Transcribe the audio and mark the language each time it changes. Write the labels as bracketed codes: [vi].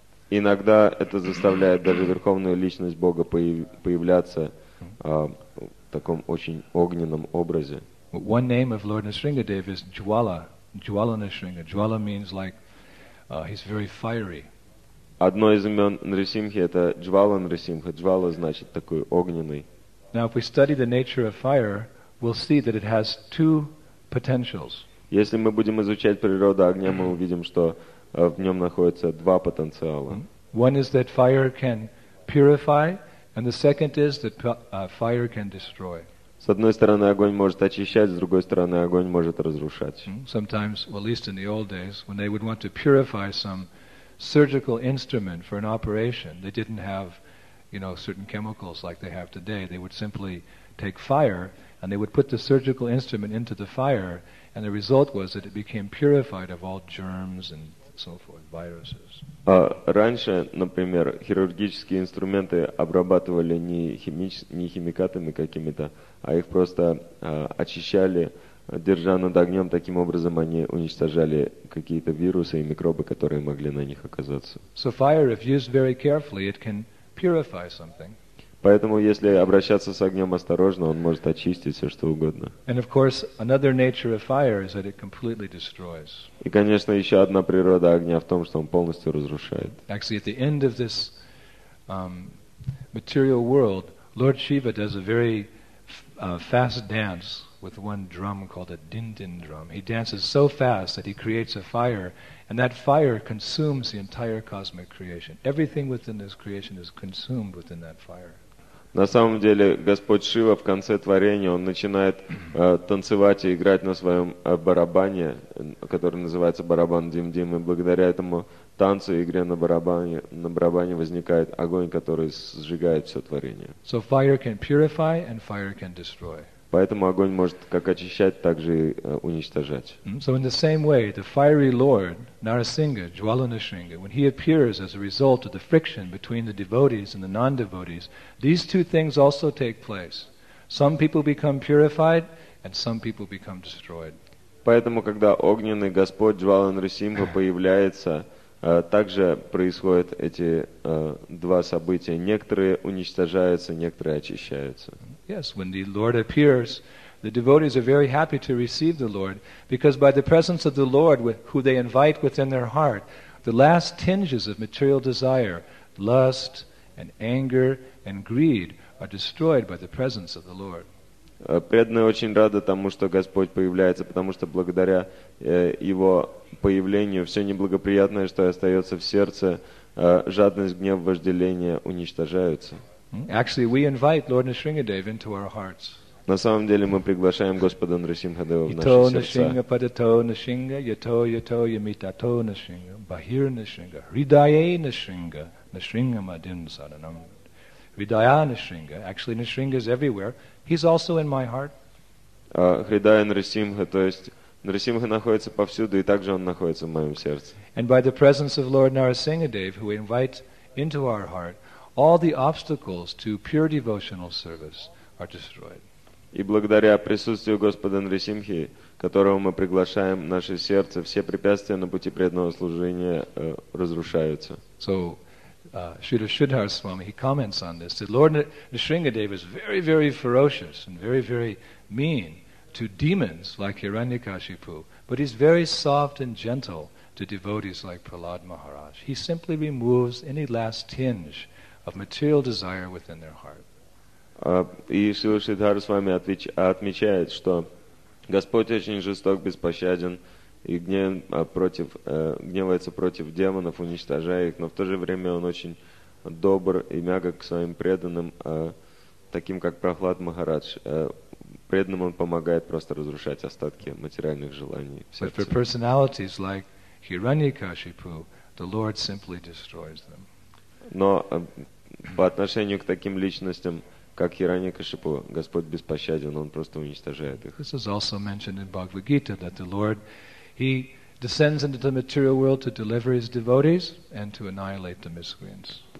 [ru] Иногда это заставляет даже Верховную Личность Бога появляться в таком очень огненном образе. [en] One name of Lord Nisringadev is Jwala. Jwala Nisringa. Jwala means like he's very fiery. [ru] Одно из имен Нрисимхи это Джвала Нрисимха. Джвала значит такой огненный. [en] Now if we study the nature of fire, we'll see that it has two potentials. [ru] Если мы будем изучать природу огня, мы увидим, что в нем находятся два потенциала. [en] One is that fire can purify, and the second is that fire can destroy. [ru] С одной стороны, огонь может очищать, с другой стороны, огонь может разрушать. [en] Sometimes, well, at least in the old days, when they would want to purify some surgical instrument for an operation, they didn't have, you know, certain chemicals like they have today. They would simply take fire and they would put the surgical instrument into the fire, and the result was that it became purified of all germs and so forth, viruses. [ru] Раньше, например, хирургические инструменты обрабатывали не химикатами какими-то, а их просто очищали, держа над огнем, таким образом они уничтожали какие-то вирусы и микробы, которые могли на них оказаться. [en] So fire, if used very carefully, it can purify something. [ru] Поэтому, если обращаться с огнем осторожно, он может очистить все, что угодно. [en] And of course, another nature of fire is that it completely destroys. [ru] И, конечно, еще одна природа огня в том, что он полностью разрушает. [en] Actually, at the end of this material world, Lord Shiva does a very fast dance with one drum called a din-din drum. He dances so fast that he creates a fire, and that fire consumes the entire cosmic creation. Everything within this creation is consumed within that fire. [ru] На самом деле, Господь Шива в конце творения, он начинает танцевать и играть на своем барабане, который называется барабан Дим-Дим, и благодаря этому танцу и игре на барабане возникает огонь, который сжигает все творение. [en] So fire can purify and fire can destroy. [ru] Поэтому огонь может как очищать, так же и уничтожать. [en] So in the same way, the fiery lord, Narasingha, Jwala Nrisingha, when he appears as a result of the friction between the devotees and the non-devotees, these two things also take place. Some people become purified and some people become destroyed. [ru] Поэтому, когда огненный господь Джвала Нрисимха появляется, также происходят эти два события. Некоторые уничтожаются, некоторые очищаются. [en] Yes, when the Lord appears, the devotees are very happy to receive the Lord, because by the presence of the Lord, who they invite within their heart, the last tinges of material desire, lust and anger and greed, are destroyed by the presence of the Lord. [ru] Преданные очень рады тому, что Господь появляется, потому что благодаря Его появлению все неблагоприятное, что остается в сердце, жадность, гнев, вожделение уничтожаются. [en] Actually, we invite Lord Nrisimhadeva into our hearts. [ru] На самом деле мы приглашаем Господа Нрисимхадева в наши сердца. [sa] Ито Нрисимха падато Нрисимха, ято ято ямитато Нрисимха, бахир Нрисимха, ридайе Нрисимха, Нрисимха мадин саданам. Ридая Нрисимха, [en] actually Нрисимха is everywhere. He's also in my heart. [sa] Ридая Нрисимха, [ru] то есть Нрисимха находится повсюду, и также он находится в моем сердце. [en] And by the presence of Lord Narasingadev, who we invite into our heart, all the obstacles to pure devotional service are destroyed. [ru] И благодаря присутствию Господа Нрисимхи, которого мы приглашаем в наше сердце, все препятствия на пути преданного служения разрушаются. [en] So, Śrīla Śrīdhara Swami, he comments on this, that Lord Nrisimhadeva is very, very ferocious and very, very mean to demons like Hiranyakashipu, but he's very soft and gentle to devotees like Prahlad Maharaj. He simply removes any last tinge of material desire within their heart. [ru] И Śrīla Śrīdhara Swami отмечает, что Господь очень жесток, беспощаден и гневается против демонов, уничтожая их, но в то же время он очень добр и мягок к своим преданным, таким как Прахлад Махарадж. Преданным он помогает просто разрушать остатки материальных желаний. [en] But for personalities like Hiranyakashipu, the Lord simply destroys them. [ru] Но по отношению к таким личностям, как Хираньякашипу, Господь беспощаден, он просто уничтожает их. [en] This is also mentioned in Bhagavad Gita that the Lord, he descends into the material world to deliver his devotees and to annihilate the miscreants.